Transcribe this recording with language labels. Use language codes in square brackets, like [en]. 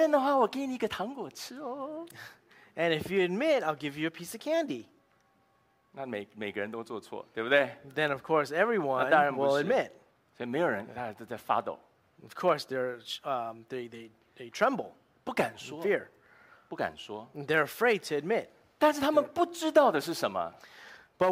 [zh] 你承认的话，我给你一个糖果吃哦。 [en] And if you admit, I'll give you a piece of candy. [zh] 那每个人都做错，对不对？ [en] Then of course everyone will admit. [zh] 所以没有人，大家都在发抖。 [en] Of course they tremble. [zh] 不敢说。 [en] Fear. [zh] 不敢说。 [en] They're afraid to admit. [zh] 但是他们不知道的是什么？ [en] But